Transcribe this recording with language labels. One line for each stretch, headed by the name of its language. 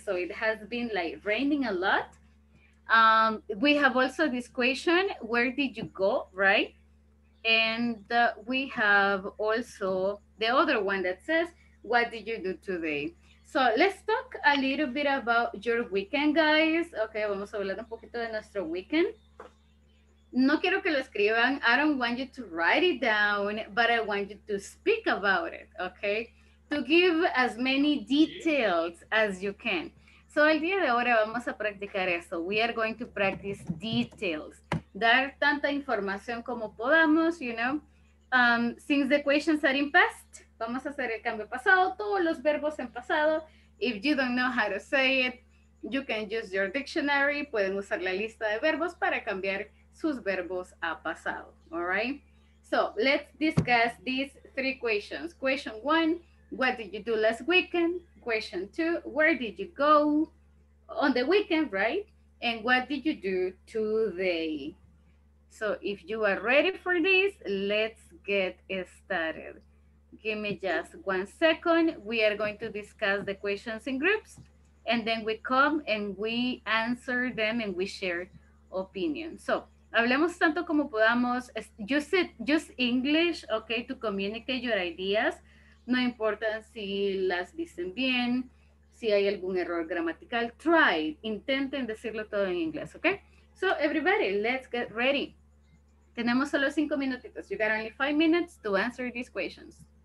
English: So it has been like raining a lot. We have also this question, where did you go, right? And we have also the other one that says, what did you do today? So let's talk a little bit about your weekend, guys.
Spanish: Okay, vamos a hablar un poquito de nuestro weekend. No quiero que lo escriban.
English: I don't want you to write it down, but I want you to speak about it, okay? To give as many details as you can.
Spanish: So el día de ahora vamos a practicar eso.
English: We are going to practice details.
Spanish: Dar tanta información como podamos,
English: you know. Since the questions are in past,
Spanish: vamos a hacer el cambio pasado, todos los verbos en pasado.
English: If you don't know how to say it, you can use your dictionary.
Spanish: Pueden usar la lista de verbos para cambiar sus verbos a pasado.
English: All right? So let's discuss these three questions. Question one, what did you do last weekend? Question two, where did you go on the weekend, right? And what did you do today? So if you are ready for this, let's get started. Give me just 1 second. We are going to discuss the questions in groups. And then we come and we answer them and we share opinions. So,
Spanish: hablemos tanto como podamos.
English: Use English, okay, to communicate your ideas.
Spanish: No importa si las dicen bien. Si hay algún error gramatical, try, intenten decirlo todo en inglés, ¿ok?
English: So, everybody, let's get ready.
Spanish: Tenemos solo 5 minutitos.
English: You got only 5 minutes to answer these questions.